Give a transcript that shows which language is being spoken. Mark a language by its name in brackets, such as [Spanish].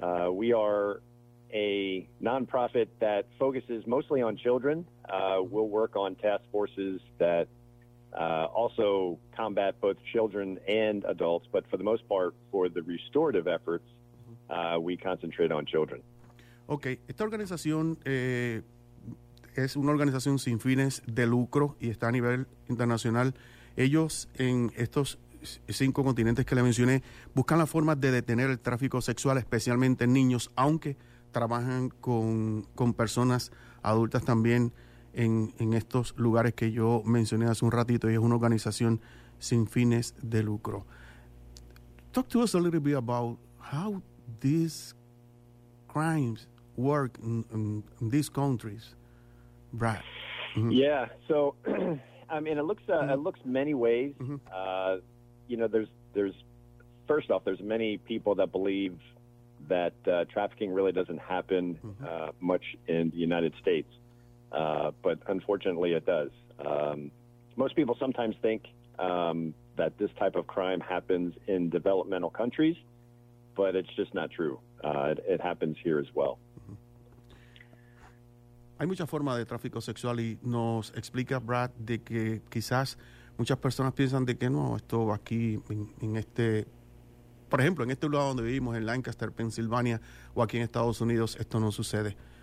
[English] We are a nonprofit that focuses mostly on children. We'll work on task forces that also combat both children and adults, but for the most part, for the restorative efforts, we concentrate on children. [Spanish] Okay, esta organización es una organización sin fines de lucro y está a nivel internacional. Ellos, en estos 5 continentes que le mencioné, buscan la forma de detener el tráfico sexual, especialmente en niños, aunque trabajan con personas adultas también en estos lugares que yo mencioné hace un ratito, y es una organización sin fines de lucro. [English] Talk to us a little bit about how these crimes work in these countries, Brad. Mm-hmm. Yeah, so I mean, it looks many ways. Mm-hmm. There's many people that believe that trafficking really doesn't happen much in the United States. But unfortunately, it does. Most people sometimes think that this type of crime happens in developmental countries, but it's just not true. It happens here as well. Mm-hmm. [Spanish] Hay muchas formas de tráfico sexual, y nos explica Brad de que quizás muchas personas piensan de que no, esto aquí en este, por ejemplo, en este lugar donde vivimos, en Lancaster, Pennsylvania, o aquí en Estados Unidos, esto no sucede.